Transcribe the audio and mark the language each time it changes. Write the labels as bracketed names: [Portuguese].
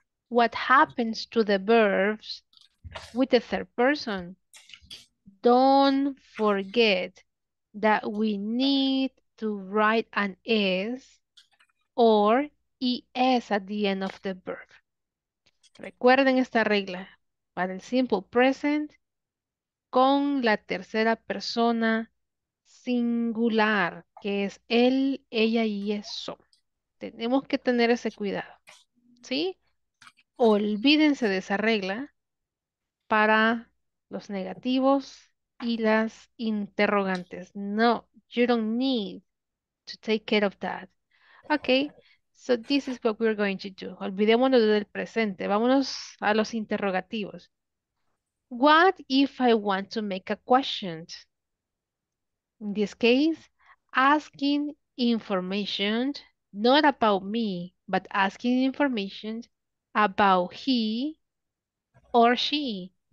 [English] What happens to the verbs with the third person? Don't forget that we need to write an S or ES at the end of the verb. [Spanish] Recuerden esta regla. Para el simple present, con la tercera persona singular, que es él, ella y eso. Tenemos que tener ese cuidado, ¿sí? Olvídense de esa regla para los negativos y las interrogantes. [English] No, you don't need to take care of that. Okay, so this is what we're going to do. [Spanish] Olvidémonos del presente, vámonos a los interrogativos. [English] What if I want to make a question? In this case, asking information, not about me, but asking information about he or she.